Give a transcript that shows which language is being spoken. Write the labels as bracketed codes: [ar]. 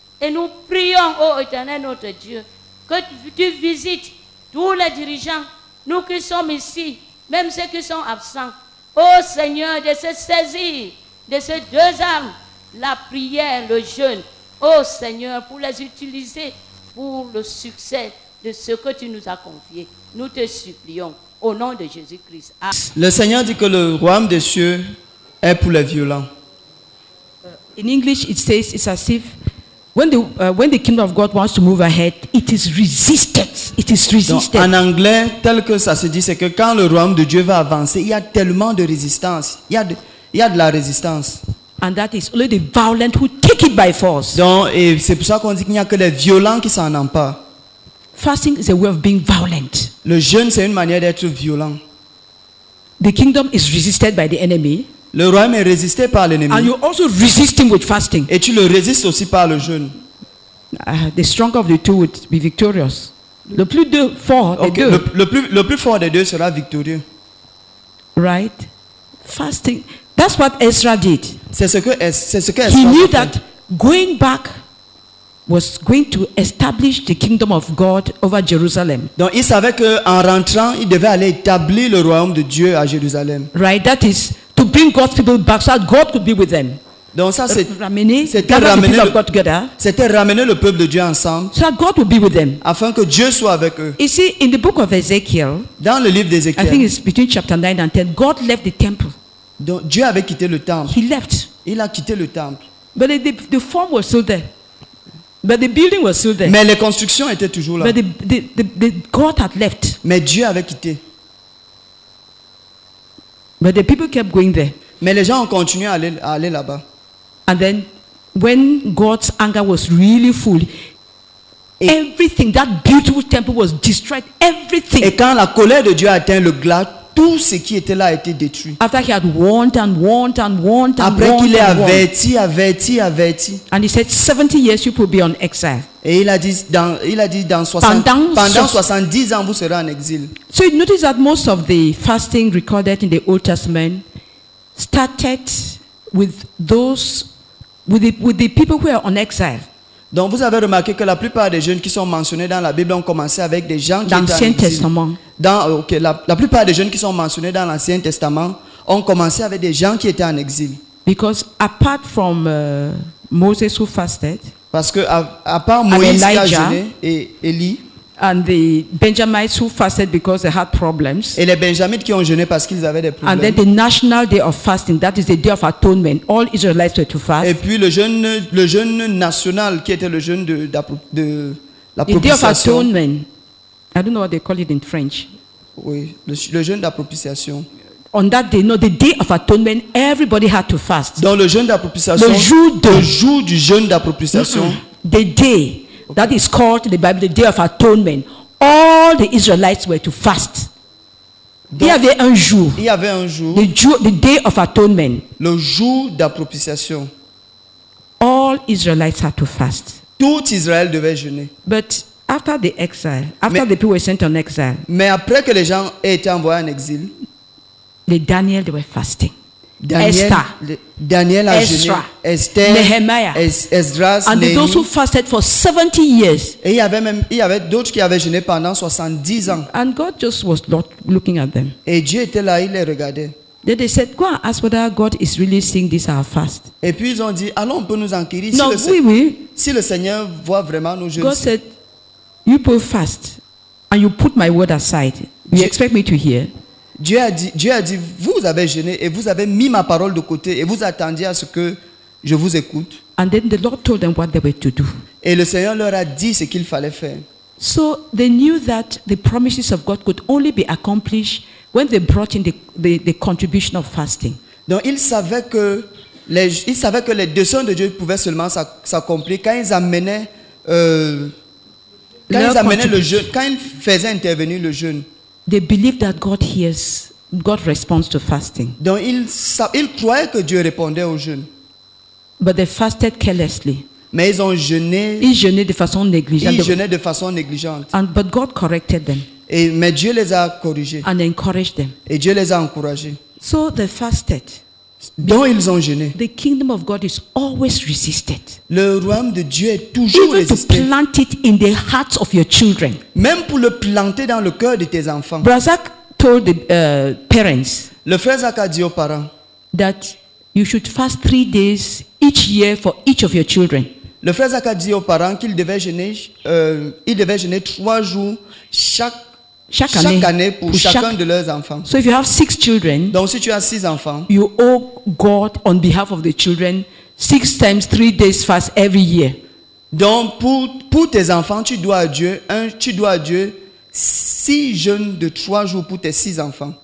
[fr] Et nous prions, ô éternel notre Dieu, que tu visites tous les dirigeants, nous qui sommes ici, même ceux qui sont absents, ô Seigneur, de se saisir de ces deux armes, la prière, le jeûne, ô Seigneur, pour les utiliser pour le succès de ce que tu nous as confié. Nous te supplions. Au nom de Jésus-Christ. Amen. Le Seigneur dit que le royaume des cieux est pour les violents. [en] In English, it says it's as if when the kingdom of God wants to move ahead, it is resisted. It is resisted. [fr] Donc, en anglais, tel que ça se dit, c'est que quand le royaume de Dieu va avancer, il y a tellement de résistance. Il y a de la résistance. [en] And that is only the violent who take it by force. [fr] Donc, et c'est pour ça qu'on dit qu'il n'y a que les violents qui s'en emparent. [en] Fasting is a way of being violent. [fr] Le jeûne, c'est une manière d'être violent. [en] The kingdom is resisted by the enemy. [fr] Le royaume est résisté par l'ennemi. [en] And you also resist him with fasting. [fr] Et tu le résistes aussi par le jeûne. [en] The stronger of the two would be victorious. [fr] Le plus de fort des deux. Le plus fort des deux sera victorieux. [en] Right? Fasting. That's what Ezra did. [fr] C'est ce que [en] Ezra [fr] fait. [en] He knew that going back was going to establish the kingdom of God over Jerusalem. [fr] Donc il savait que en rentrant, il devait aller établir le royaume de Dieu à Jérusalem. [en] Right, that is to bring God's people back so that God could be with them. [fr] Donc ça c'est ramener, c'était ramener le peuple de Dieu ensemble. [en] So God will be with them. [fr] Afin que Dieu soit avec eux. [en] You see, in the book of Ezekiel, [fr] dans le livre d'Ézéchiel, [en] I think it's between chapter 9 and 10, God left the temple. [fr] Donc Dieu avait quitté le temple. [en] He left. [fr] Il a quitté le temple. [en] But the form was still there. But the building was still there. [fr] Mais les constructions étaient toujours là. [en] But the God had left. [fr] Mais Dieu avait quitté. [en] But the people kept going there. [fr] Mais les gens ont continué à aller là-bas. [en] And then, when God's anger was really full, everything, that beautiful temple was destroyed, everything. [fr] Et quand la colère de Dieu a atteint le glas, tout ce qui était là a été détruit. [en] After he had warned and warned and warned and [fr] après [en] warned [fr] qu'il ait averti, averti, averti. [en] And he said, 70 years you will be on exile. [fr] Et il a dit dans 60, pendant 70 ans vous serez en exil. [en] So you notice that most of the fasting recorded in the Old Testament started with the people who are on exile. [fr] Donc vous avez remarqué que la plupart des jeunes qui sont mentionnés dans la Bible ont commencé avec des gens qui étaient en exil. L'Ancien Testament. La plupart des jeunes qui sont mentionnés dans l'Ancien Testament ont commencé avec des gens qui étaient en exil. [en] Because apart from Moses who fasted. [fr] Parce que à part Moïse qui a jeûné et Élie. [en] And the Benjamites who fasted because they had problems. [fr] Et les Benjamites qui ont jeûné parce qu'ils avaient des problèmes. [en] And then the national day of fasting, that is the day of atonement. All Israelites were to fast. [fr] Et puis le jeûne national qui était le jeûne de la propitiation. [en] The day of atonement. I don't know what they call it in French. [fr] Oui, le jeûne de la propitiation. [en] On that day, no, the day of atonement, everybody had to fast. [fr] Dans le jeûne de la propitiation. Le jour du jeûne de la propitiation. [en] The day. Okay. That is called in the Bible the day of atonement. All the Israelites were to fast. [fr] Donc, il y avait un jour. [en] The day of atonement. [fr] Le jour de la propitiation. [en] All Israelites had to fast. [fr] Tout Israël devait jeûner. [en] But after the exile, the people were sent on exile. [fr] Mais après que les gens aient été envoyés en exil. [en] They were fasting. Esther, Nehemiah, Esdras, and Nehemi. Those who fasted for 70 years. [fr] Et il y avait d'autres qui avaient jeûné pendant 70 ans. [en] And God just was not looking at them. [fr] Et Dieu était là, il les regardait. [en] Then they said, "Go and ask whether God is really seeing this our fast." [fr] Et puis ils ont dit, allons, on peut nous enquérir si le Seigneur voit vraiment nos jeûnes. [en] God said, "You put fast, and you put my word aside. You expect me to hear?" [fr] Dieu a dit, vous avez jeûné et vous avez mis ma parole de côté et vous attendiez à ce que je vous écoute. [en] And then the Lord told them what they were to do. [fr] Et le Seigneur leur a dit ce qu'il fallait faire. [en] So they knew that the promises of God could only be accomplished when they brought in the contribution of fasting. [fr] Donc ils savaient que les desseins de Dieu pouvaient seulement s'accomplir quand ils amenaient le jeûne, quand ils faisaient intervenir le jeûne. [en] They believe that God hears, God responds to fasting. [fr] Donc ils croyaient que Dieu répondait au jeûne. [en] But they fasted carelessly. [fr] Mais ils ont jeûné. Ils jeûnaient de façon négligente. [en] But God corrected them. [fr] Mais Dieu les a corrigés. [en] And encouraged them. [fr] Et Dieu les a encouragés. [en] So they fasted. [fr] Donc ils ont jeûné. [en] The kingdom of God is always resisted. [fr] Le royaume de Dieu est toujours resisté. [en] Even [fr] résisté. [en] To plant it in the hearts of your children. [fr] Même pour le planter dans le cœur de tes enfants. [en] Brazak told the parents. [fr] Le frère Zach a dit aux parents. [en] That you should fast 3 days each year for each of your children. [fr] Le frère Zach a dit aux parents qu'il devait jeûner, 3 jours chaque année pour chacun de leurs enfants. [en] So if you have 6 children, [fr] donc si tu as 6 enfants, [en] you owe God on behalf of the children 6 times 3 days fast every year. [fr] Donc pour tes enfants, tu dois à Dieu 6 jeûnes de 3 jours pour tes 6 enfants.